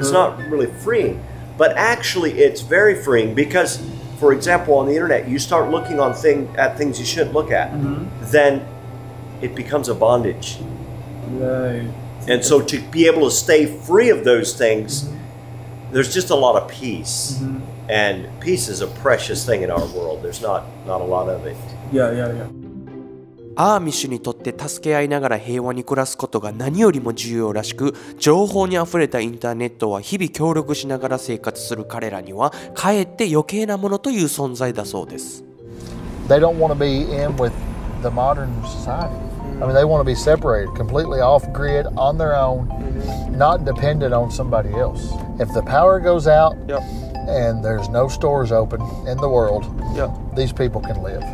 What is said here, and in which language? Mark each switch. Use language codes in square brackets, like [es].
[en] it's not really freeing but actually it's very freeing because for example on the internet you start looking on thing at things you shouldn't look at、 mm-hmm. then it becomes a bondage、 right. and so to be able to stay free of those things、 mm-hmm. there's just a lot of peace、 mm-hmm. and peace is a precious thing in our world there's not a lot of it yeah. [ja] アーミッシュにとって助け合いながら平和に暮らすことが何よりも重要らしく情報にあふれたインターネットは日々協力しながら生活する彼らにはかえって余計なものという存在だそうです [en] They don't want to be in with the modern society I mean they want to be separated completely off grid on their own not dependent on somebody else If the power goes out、 yep. and there's no stores open in the world Yeah. These people can live.